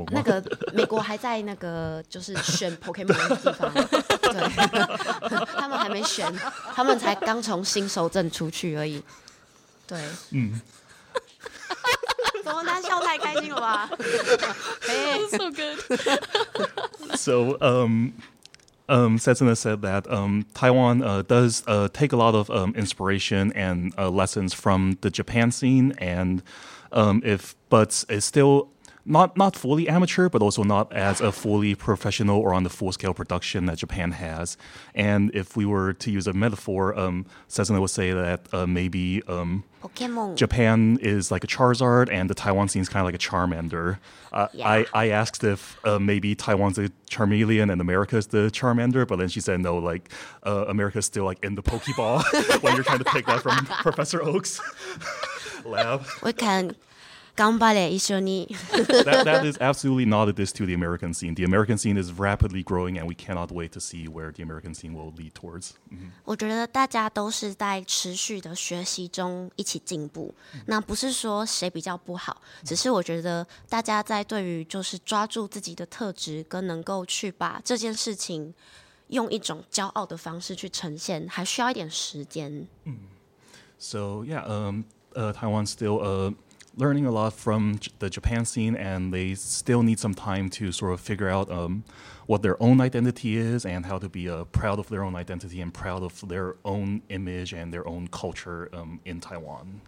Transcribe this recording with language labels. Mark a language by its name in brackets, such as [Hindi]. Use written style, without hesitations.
[Chinese] 小火龙，不是美国小火龙，是台湾火恐龙吗？那个美国还在那个就是选 Pokemon 的地方，对，他们还没选，他们才刚从新手证出去而已。对，怎么他笑太开心了吧？哎 [English] ，so good. So, Setsuna said that Taiwan does take a lot of inspiration and lessons from the Japan scene, and but it's still not fully amateur, but also not as a fully professional or on the full scale production that Japan has. And if we were to use a metaphor, Setsuna would say that maybe Pokemon. Japan is like a Charizard, and the Taiwan scene is kind of like a Charmander. I asked if maybe Taiwan's a Charmeleon and America is the Charmander, but then she said no, like America is still like in the Pokeball when you're trying to take that from Professor Oak's lab. We can [Japanese] 頑張れ一緒に. [English] That is absolutely not a diss to the American scene. The American scene is rapidly growing, and we cannot wait to see where the American scene will lead towards. Mm-hmm. [Chinese] 我觉得大家都是在持续的学习中，一起进步。那不是说谁比较不好，只是我觉得大家在对于就是抓住自己的特质，跟能够去把这件事情用一种骄傲的方式去呈现，还需要一点时间。 [English] So yeah, Taiwan still learning a lot from the Japan scene, and they still need some time to sort of figure out what their own identity is and how to be proud of their own identity and proud of their own image and their own culture in Taiwan.